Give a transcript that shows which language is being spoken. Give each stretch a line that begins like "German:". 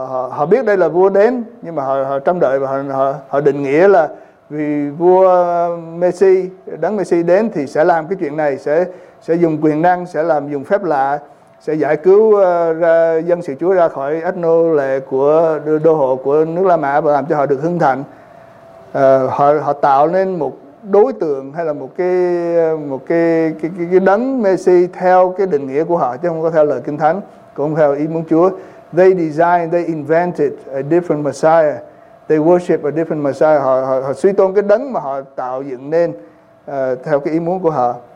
Vietnamese: Họ biết đây là vua đến, nhưng mà họ trong đợi và họ định nghĩa là vì vua Messi, đấng Messi đến thì sẽ làm cái chuyện này, sẽ dùng quyền năng, sẽ làm dùng phép lạ, sẽ giải cứu dân sự Chúa ra khỏi ách nô lệ của đô hộ của nước La Mã và làm cho họ được hưng thạnh. Họ tạo nên một đối tượng hay là một cái đấng Messi theo cái định nghĩa của họ, chứ không có theo lời Kinh Thánh, cũng theo ý muốn Chúa.
English: They designed, they invented a different Messiah. They worship a different Messiah.
Vietnamese: Họ suy tôn cái đấng mà họ tạo dựng nên theo cái ý muốn của họ.